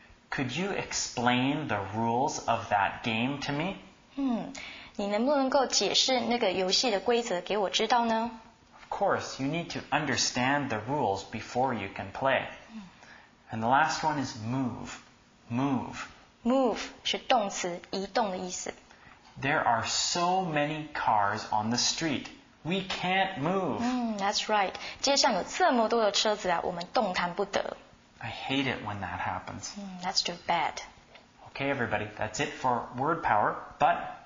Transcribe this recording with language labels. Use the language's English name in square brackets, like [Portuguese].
[English] Could you explain the rules of that game to me? [Chinese] 你能不能够解释那个游戏的规则给我知道呢 [English] ？Of course, you need to understand the rules before you can play. And the last one is move. Move. [Chinese] Move 是动词，移动的意思。 [English] There are so many cars on the street. We can't move. That's right. [Chinese] 街上有这么多的车子啊，我们动弹不得。 [English] I hate it when that happens. That's too bad. Okay, everybody, that's it for word power, but...